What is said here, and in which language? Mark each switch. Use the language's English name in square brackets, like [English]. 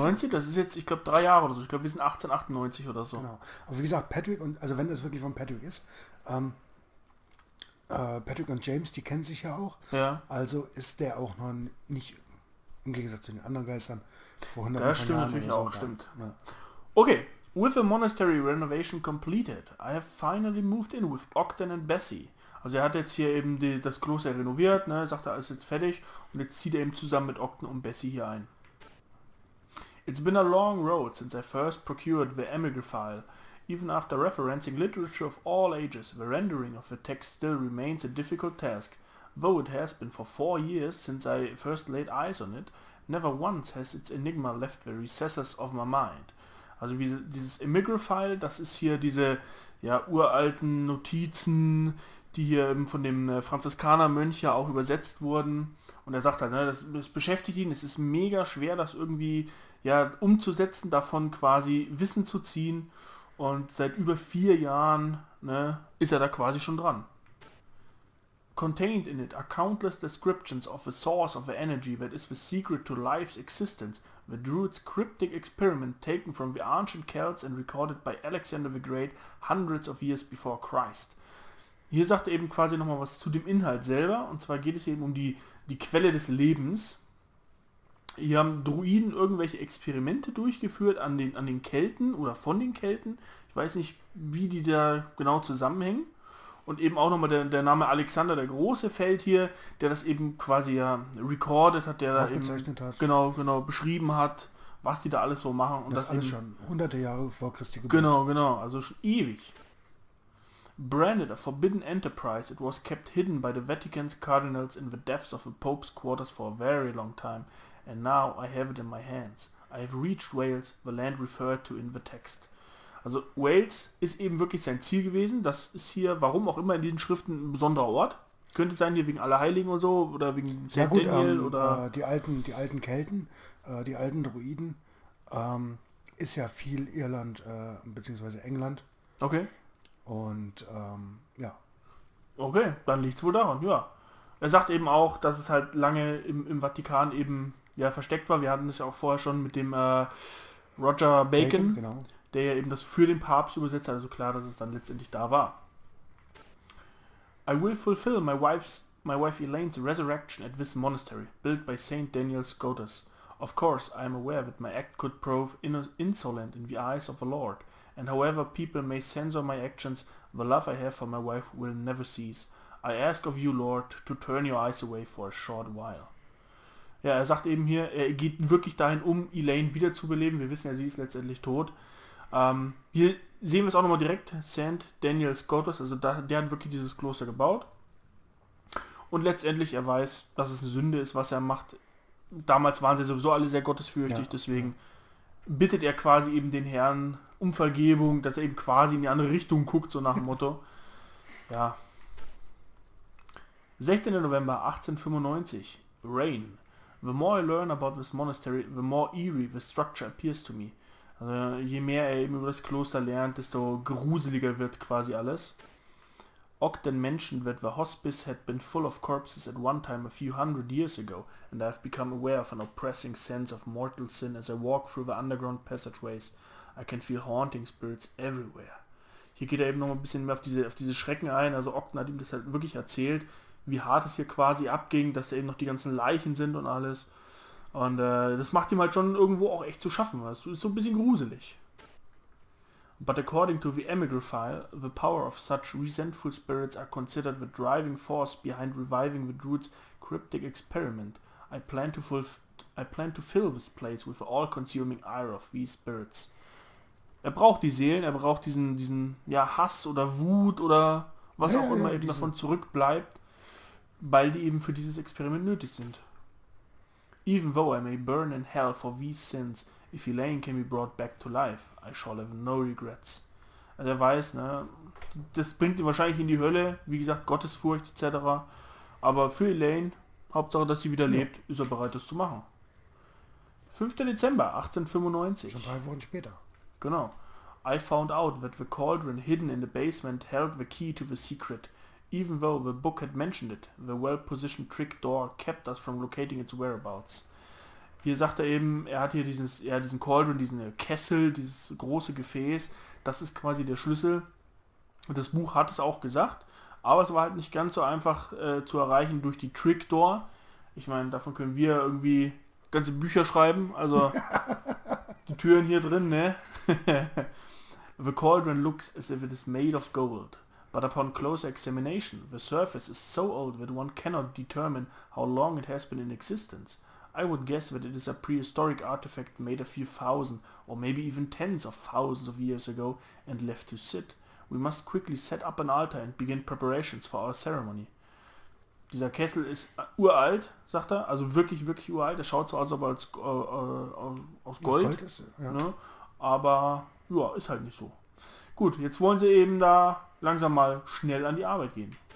[German] 1895, das ist jetzt, ich glaube, 3 Jahre oder so. Ich glaube, wir sind 1898 oder so. Genau. Aber wie gesagt, Patrick und, also wenn das wirklich von Patrick ist, Patrick und James, die kennen sich ja auch. Ja. Also ist der auch noch nicht, im Gegensatz zu den anderen Geistern, vor Hunderten Das von stimmt Jahren oder natürlich so auch, da. stimmt. Ja. Okay. [English] With the monastery renovation completed, I have finally moved in with Ogden and Bessie. [German] Also er hat jetzt hier eben das Kloster renoviert, ne, sagt er, alles jetzt fertig und jetzt zieht er eben zusammen mit Ogden und Bessie hier ein. [English] It's been a long road since I first procured the emigraphile. Even after referencing literature of all ages, the rendering of the text still remains a difficult task. Though it has been for 4 years since I first laid eyes on it, never once has its enigma left the recesses of my mind. [German] Also dieses Emigraphile, das ist hier diese ja, uralten Notizen, die hier eben von dem Franziskanermönch ja auch übersetzt wurden. Und er sagt halt, ne, das beschäftigt ihn, es ist mega schwer, das irgendwie ja, umzusetzen, davon quasi Wissen zu ziehen. Und seit über 4 Jahren, ne, ist er da quasi schon dran. [English] Contained in it are countless descriptions of the source of the energy that is the secret to life's existence. The Druids' cryptic experiment taken from the ancient Celts and recorded by Alexander the Great hundreds of years before Christ. [German] Hier sagt er eben quasi nochmal was zu dem Inhalt selber. Und zwar geht es eben um die Quelle des Lebens. Hier haben Druiden irgendwelche Experimente durchgeführt an den Kelten oder von den Kelten. Ich weiß nicht, wie die da genau zusammenhängen. Und eben auch nochmal der Name Alexander der Große fällt hier, der das eben quasi ja recorded hat, der da eben Aufgezeichnet hat. genau beschrieben hat, was die da alles so machen und Das das alles eben schon hunderte Jahre vor Christi Geburt. genau, also schon ewig. [English] Branded a forbidden enterprise, it was kept hidden by the Vatican's cardinals in the depths of the Pope's quarters for a very long time, and now I have it in my hands. I have reached Wales, the land referred to in the text. [German] Also Wales ist eben wirklich sein Ziel gewesen. Das ist hier, warum auch immer in diesen Schriften ein besonderer Ort. Könnte sein hier wegen Allerheiligen und so oder wegen Ja St. gut, Daniel oder... die alten Kelten, die alten Druiden, ist ja viel Irland, bzw. England. Okay. Und ja. Okay, dann liegt es wohl daran, ja. Er sagt eben auch, dass es halt lange im Vatikan eben ja versteckt war. Wir hatten es ja auch vorher schon mit dem Roger Bacon, Bacon, genau. der ja eben das für den Papst übersetzt hat, also klar, dass es dann letztendlich da war. [English] I will fulfill my wife Elaine's resurrection at this monastery, built by St. Daniel Scotus. Of course, I am aware that my act could prove insolent in the eyes of the Lord, and however people may censure my actions, the love I have for my wife will never cease. I ask of you, Lord, to turn your eyes away for a short while. [German] Ja, er sagt eben hier, er geht wirklich dahin, um Elaine wiederzubeleben. Wir wissen ja, sie ist letztendlich tot. Hier sehen wir es auch nochmal direkt, St. Daniel Scotus, also der hat wirklich dieses Kloster gebaut. Und letztendlich, er weiß, dass es eine Sünde ist, was er macht. Damals waren sie sowieso alle sehr gottesfürchtig, Ja. deswegen bittet er quasi eben den Herrn um Vergebung, dass er eben quasi in die andere Richtung guckt, so nach dem Motto. Ja. [English] 16. November 1895. Rain. The more I learn about this monastery, the more eerie the structure appears to me. [German] Also je mehr er eben über das Kloster lernt, desto gruseliger wird quasi alles. [English] Ogden mentioned that the hospice had been full of corpses at one time a few hundred years ago, and I have become aware of an oppressing sense of mortal sin as I walk through the underground passageways. I can feel haunting spirits everywhere. [German] Hier geht er eben noch ein bisschen mehr auf diese Schrecken ein, also Ogden hat ihm das halt wirklich erzählt. wie hart es hier quasi abging, dass eben noch die ganzen Leichen sind und alles. Und das macht ihm halt schon irgendwo auch echt zu schaffen. Das ist so ein bisschen gruselig. [English] But according to the Emigre file, the power of such resentful spirits are considered the driving force behind reviving the Druid's cryptic experiment. I plan to fill this place with all-consuming ire of these spirits. [German] Er braucht die Seelen, er braucht diesen ja, Hass oder Wut oder was auch immer eben davon zurückbleibt, weil die eben für dieses Experiment nötig sind. [English] Even though I may burn in hell for these sins, if Elaine can be brought back to life, I shall have no regrets. [German] Also er weiß, ne, das bringt ihn wahrscheinlich in die Hölle, wie gesagt, Gottesfurcht etc. Aber für Elaine, Hauptsache, dass sie wieder lebt, ist er bereit, das zu machen. 5. Dezember 1895. Schon 3 Wochen später. Genau. [English] I found out that the cauldron hidden in the basement held the key to the secret. Even though the book had mentioned it, the well-positioned trick door kept us from locating its whereabouts. [German] Hier sagt er eben, er hat hier diesen Cauldron, diesen Kessel, dieses große Gefäß. Das ist quasi der Schlüssel. Das Buch hat es auch gesagt, aber es war halt nicht ganz so einfach zu erreichen durch die Trick Door. Ich meine, davon können wir irgendwie ganze Bücher schreiben. Also die Türen hier drin, ne? [English] The cauldron looks as if it is made of gold. But upon closer examination, the surface is so old that one cannot determine how long it has been in existence. I would guess that it is a prehistoric artifact made a few thousand or maybe even tens of thousands of years ago and left to sit. We must quickly set up an altar and begin preparations for our ceremony. [German] Dieser Kessel ist uralt, sagt er, also wirklich, wirklich uralt. Er schaut zwar aus, aber als aus Gold. Gold ist, ja. Ne? Aber ja, ist halt nicht so. Gut, jetzt wollen sie eben da langsam mal schnell an die Arbeit gehen.